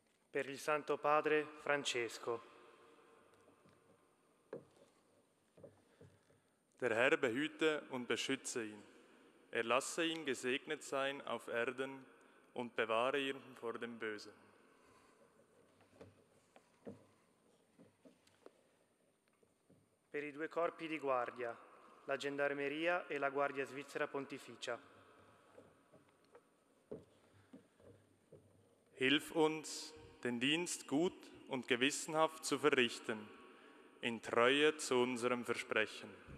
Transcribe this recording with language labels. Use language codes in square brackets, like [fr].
[it] Per il Santo Padre Francesco. [de] Der Herr behüte und beschütze ihn. Er lasse ihn gesegnet sein auf Erden und bewahre ihn vor dem Bösen. [it] Per i due corpi di guardia, la Gendarmeria e la Guardia Svizzera Pontificia. [de] Hilf uns, den Dienst gut und gewissenhaft zu verrichten, in Treue zu unserem Versprechen.